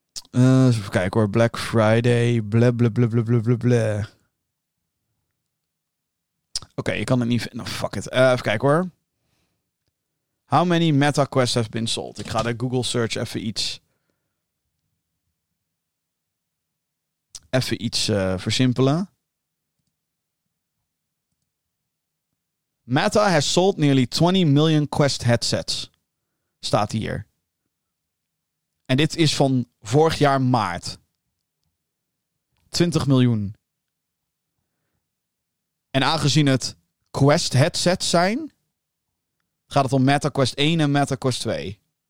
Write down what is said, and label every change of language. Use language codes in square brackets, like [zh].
[nl] Even kijken hoor. Black Friday. Bla bla bla bla bla bla bla. Oké, ik kan het niet vinden. [en] Fuck it. [nl] Even kijken hoor. [en] How many Meta Quests have been sold? [nl] Ik ga de Google search even iets versimpelen. [en] Meta has sold nearly 20 million Quest headsets. [nl] Staat hier. En dit is van vorig jaar maart. 20 miljoen. En aangezien het Quest headsets zijn, gaat het om Meta Quest 1 en Meta Quest 2.